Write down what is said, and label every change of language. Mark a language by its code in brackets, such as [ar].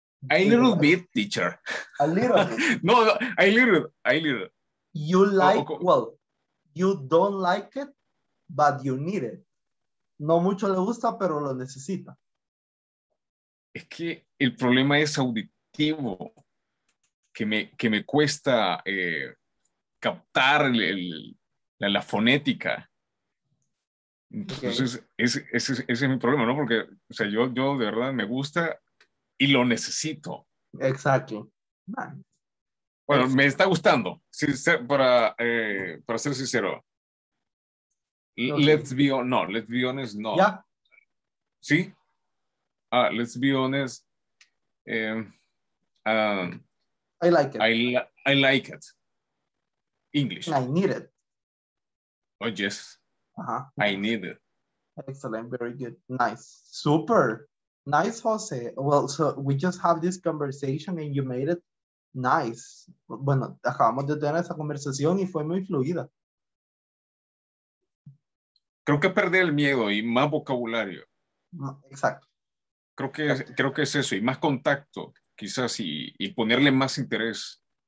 [en] A little bit, teacher. A little bit. No, a little. You like, you don't like it, but you need it. [es] No mucho le gusta, pero lo necesita. Es que el problema es auditivo, que me cuesta captar la fonética. Entonces, ese es mi problema, ¿no? Porque, o sea, yo de verdad me gusta y lo necesito. Exacto. Bueno, me está gustando. Para ser sincero. [en] Let's be honest. Yeah. [es] ¿Sí? [en] Let's be honest. I like it. I like it. English. I need it. Oh, yes. Uh-huh. I need it. Excellent. Very good. Nice. Super. Nice, Jose. Well, so we just have this conversation and you made it nice. [es] Bueno, acabamos de tener esa conversación y fue muy fluida. Creo que perdí el miedo y más vocabulario. Exacto. Creo que es eso y más contacto, quizás, y ponerle más interés.